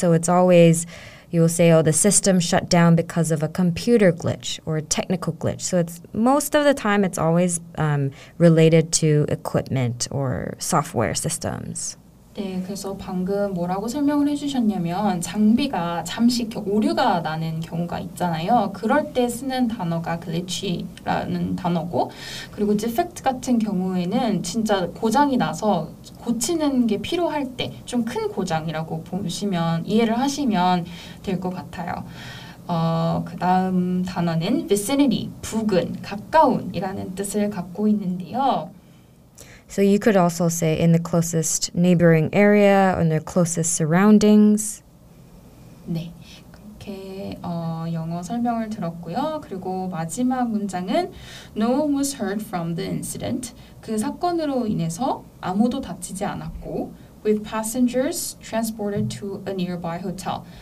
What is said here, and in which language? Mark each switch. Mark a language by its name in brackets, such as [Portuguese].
[English] So it's always, you will say, oh, the system shut down because of a computer glitch or a technical glitch. So it's most of the time it's always related to equipment or software systems. [Korean] 네, 그래서 방금 뭐라고 설명을 해주셨냐면 장비가 잠시 오류가 나는 경우가 있잖아요. 그럴 때 쓰는 단어가 glitch라는 단어고 그리고 defect 같은 경우에는 진짜 고장이 나서 고치는 게 필요할 때 좀 큰 고장이라고 보시면 이해를 하시면 될 것 같아요. 그 다음 단어는 vicinity, 부근, 가까운이라는 뜻을 갖고 있는데요. So you could also say in the closest neighboring area or in their closest surroundings. 네, 그렇게 영어 설명을 들었고요. 그리고 마지막 문장은 [English] No one was hurt from the incident. [Korean] 그 사건으로 인해서 아무도 다치지 않았고 [English] with passengers transported to a nearby hotel.